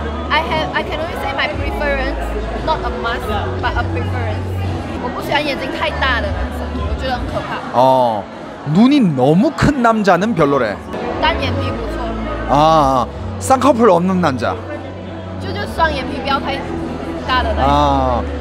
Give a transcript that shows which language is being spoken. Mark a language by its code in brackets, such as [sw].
[en] I can only say my preference, not a must, but a preference. [zh] 我不喜欢眼睛太大的男生，我觉得很可怕。哦， [ko] 눈이 너무 큰 남자는 별로래. [zh] 单眼皮不错. [ko] 아, 쌍꺼풀 없는 남자. [zh] 就双眼皮不要太大的男生。아,